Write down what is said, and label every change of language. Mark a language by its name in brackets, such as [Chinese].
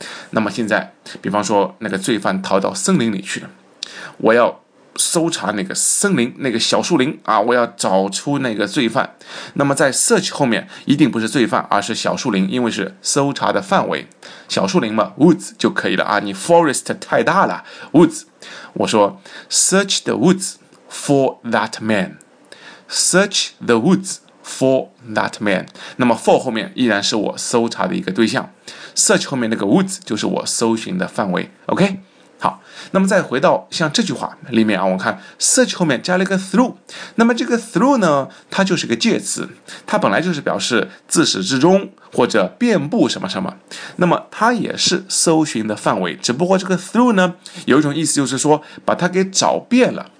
[Chinese] 那么现在，比方说那个罪犯逃到森林里去了，我要搜查那个森林，那个小树林啊，我要找出那个罪犯。那么在 search 后面一定不是罪犯，而是小树林，因为是搜查的范围，小树林嘛 ，woods 就可以了啊。你 forest 太大了 ，woods。我说 [English] search the woods for that man。 Search the woods for that man. [Chinese] 那么 for 后面依然是我搜查的一个对象， search 后面那个 woods 就是我搜寻的范围。 OK, 好，那么再回到像这句话里面啊，我看 search 后面加了一个 through, 那么这个 through 呢，它就是个介词，它本来就是表示自始至终或者遍布什么什么，那么它也是搜寻的范围，只不过这个 through 呢有一种意思就是说把它给找遍了。